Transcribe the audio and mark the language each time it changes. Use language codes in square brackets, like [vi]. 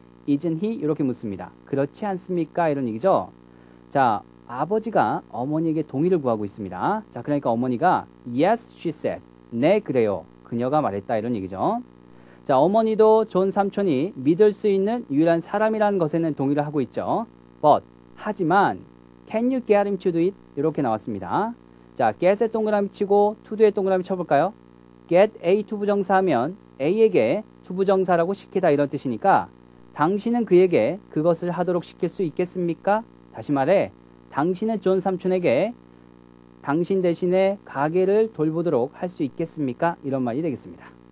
[en] Isn't he? [ko] 이렇게 묻습니다. 그렇지 않습니까? 이런 얘기죠. 자, 아버지가 어머니에게 동의를 구하고 있습니다. 자, 그러니까 어머니가 [en] Yes, she said. [ko] 네, 그래요. 그녀가 말했다 이런 얘기죠. 자, 어머니도 존 삼촌이 믿을 수 있는 유일한 사람이라는 것에는 동의를 하고 있죠. [en] But, [ko] 하지만, [en] can you get him to do it? [ko] 이렇게 나왔습니다. 자, get의 동그라미 치고 to do의 동그라미 쳐볼까요? Get A to 부정사하면 A에게 to 부정사라고 시키다 이런 뜻이니까 당신은 그에게 그것을 하도록 시킬 수 있겠습니까? 다시 말해, 당신은 존 삼촌에게 당신 대신에 가게를 돌보도록 할 수 있겠습니까? 이런 말이 되겠습니다.